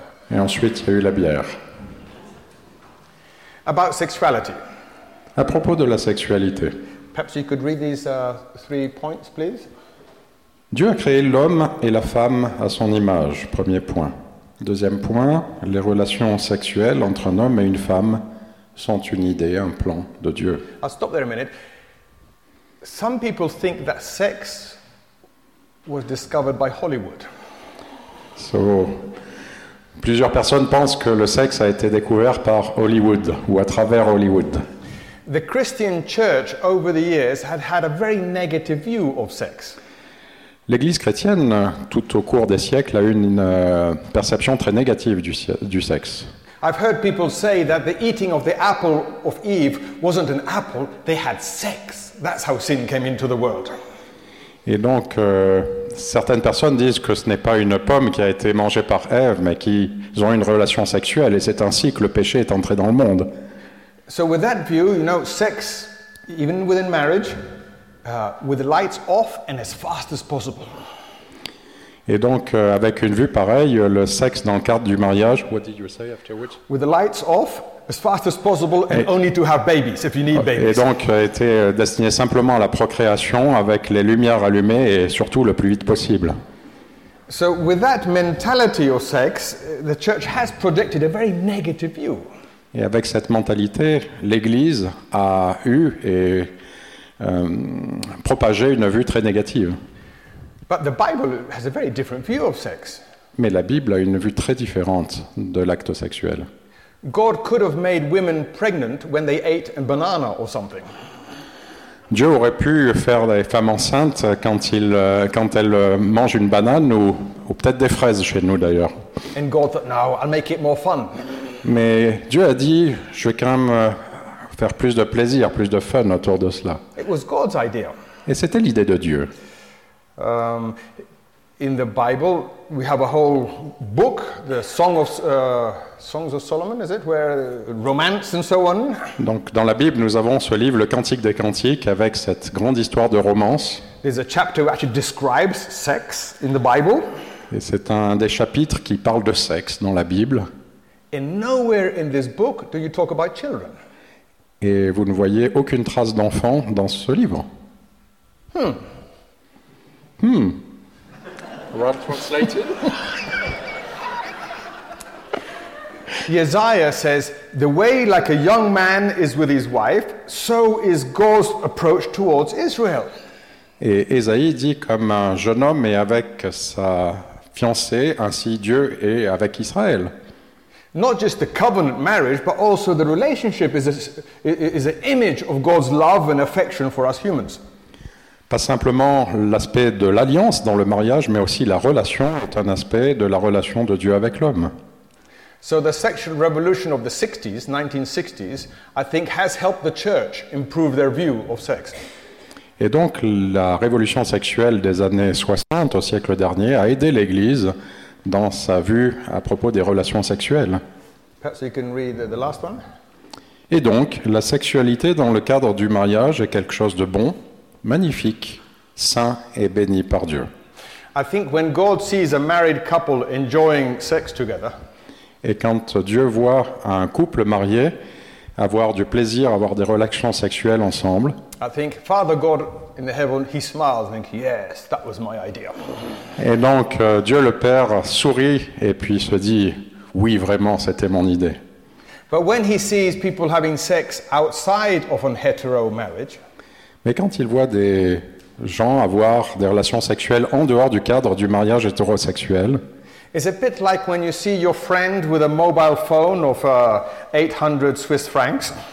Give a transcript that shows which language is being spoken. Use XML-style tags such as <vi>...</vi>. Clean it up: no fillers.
<fr>Et ensuite il y a eu la bière.</fr> <en>About sexuality.</en> <fr>À propos de la sexualité.</fr> <en>Perhaps you could read these 3 points, please.</en> <fr>Dieu a créé l'homme et la femme à son image, premier point. Deuxième point, les relations sexuelles entre un homme et une femme sont une idée, un plan de Dieu.</fr> <en>I'll stop there a minute. Some people think that sex was discovered by Hollywood.</en> <fr>So, plusieurs personnes pensent que le sexe a été découvert par Hollywood ou à travers Hollywood.</fr> <en>The Christian church over the years had a very negative view of sex.</en> <fr>L'Église chrétienne, tout au cours des siècles, a eu une perception très négative du sexe.</fr> <en>I've heard people say that the eating of the apple of Eve wasn't an apple, they had sex. That's how sin came into the world.</en> <fr>Et donc, certaines personnes disent que ce n'est pas une pomme qui a été mangée par Ève, mais qu'ils ont une relation sexuelle, et c'est ainsi que le péché est entré dans le monde.</fr> <en>So with that view, you know, sex, even within marriage, with the lights off and as fast as possible.</en> <fr>Et donc, avec une vue pareille, le sexe dans le cadre du mariage.</fr> <en>What did you say afterwards? With the lights off as fast as possible and only to have babies if you need babies.</en> <fr>Et donc été destiné simplement à la procréation avec les lumières allumées et surtout le plus vite possible.</fr> <en>So with that mentality of sex, the church has projected a very negative view.</en> <fr>Et avec cette mentalité, l'Église a eu et propagé une vue très négative.</fr> <en>But the Bible has a very different view of sex.</en> <fr>Mais la Bible a une vue très différente de l'acte sexuel.</fr> <en>God could have made women pregnant when they ate a banana or something.</en> <fr>Dieu aurait pu faire les femmes enceintes quand elles mangent une banane ou peut-être des fraises chez nous d'ailleurs.</fr> <en>And God thought, no, I'll make it more fun.</en> <fr>Mais Dieu a dit, je vais quand même faire plus de plaisir, plus de fun autour de cela.</fr> <en>It was God's idea.</en> <fr>Et c'était l'idée de Dieu.</fr> <en>In the Bible, we have a whole book, the Songs of Solomon, is it, where romance and so on.</en> <fr>Donc, dans la Bible, nous avons ce livre, le Cantique des Cantiques, avec cette grande histoire de romance.</fr> <en>There's a chapter which actually describes sex in the Bible.</en> <fr>Et c'est un des chapitres qui parle de sexe dans la Bible.</fr> <en>And nowhere in this book do you talk about children.</en> <fr>Et vous ne voyez aucune trace d'enfant dans ce livre.</fr> <en>Well translated. Isaiah says, "The way like a young man is with his wife, so is God's approach towards Israel."</en> <fr>Et Isaïe dit comme un jeune homme est avec sa fiancée, ainsi Dieu est avec Israël.</fr> <en>Not just the covenant marriage, but also the relationship is an image of God's love and affection for us humans.</en> <fr>Pas simplement l'aspect de l'alliance dans le mariage, mais aussi la relation est un aspect de la relation de Dieu avec l'homme.</fr> <en>So the sexual revolution of the 60s, 1960s, I think has helped the church improve their view of sex.</en> <fr>Et donc la révolution sexuelle des années 60 au siècle dernier a aidé l'Église dans sa vue à propos des relations sexuelles.</fr> <en>Perhaps you can read the last one.</en> <fr>Et donc la sexualité dans le cadre du mariage est quelque chose de bon. Magnifique, saint et béni par Dieu.</fr> <en>I think when God sees a married couple enjoying sex together,</en> <fr>et quand Dieu voit un couple marié avoir du plaisir, avoir des relations sexuelles ensemble,</fr> <en>I think Father God in the heaven, he smiles and thinks, yes, that was my idea.</en> <fr>Et donc Dieu le Père sourit et puis se dit, oui, vraiment, c'était mon idée.</fr> <en>But when he sees people having sex outside of a hetero marriage,</en> <fr>mais quand il voit des gens avoir des relations sexuelles en dehors du cadre du mariage hétérosexuel,</fr> <en>it's a bit like when you see your friend with a mobile phone of 800 Swiss francs.</en>